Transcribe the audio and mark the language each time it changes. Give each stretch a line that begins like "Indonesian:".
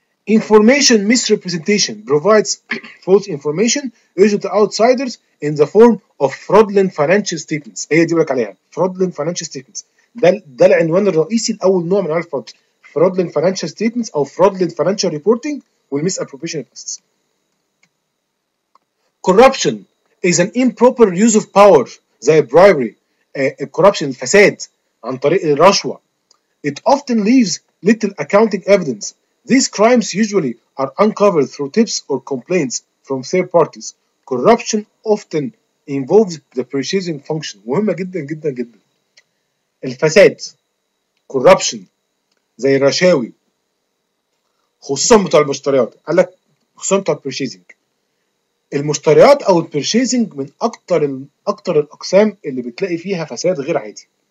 English: information misrepresentation provides false information against outsiders in the form of fraudulent financial statements,
Arabic: هي دي بقولك عليها
English: Fraudulent financial statements.
Arabic: ده العنوان الرئيسي لاول نوع من انواع الفرود، فرودلنت فاينانشال ستيتمنتس او فرودلنت فاينانشال ريبورتنج والميس ابروبريشن.
English: Corruption is an improper use of power زي bribery.
Arabic: Corruption الفساد عن طريق الرشوة.
English: It often leaves little accounting evidence. These crimes usually are uncovered through tips or complaints from third parties. Corruption often involves the purchasing function.
Arabic: مهمة جدا جدا جدا. الفساد corruption زي الرشاوي خصوصا بتوع المشتريات، قال لك خصوصا بتوع purchasing. المشتريات او البرشيزنج من اكتر الاقسام اللي بتلاقي فيها فساد غير عادي.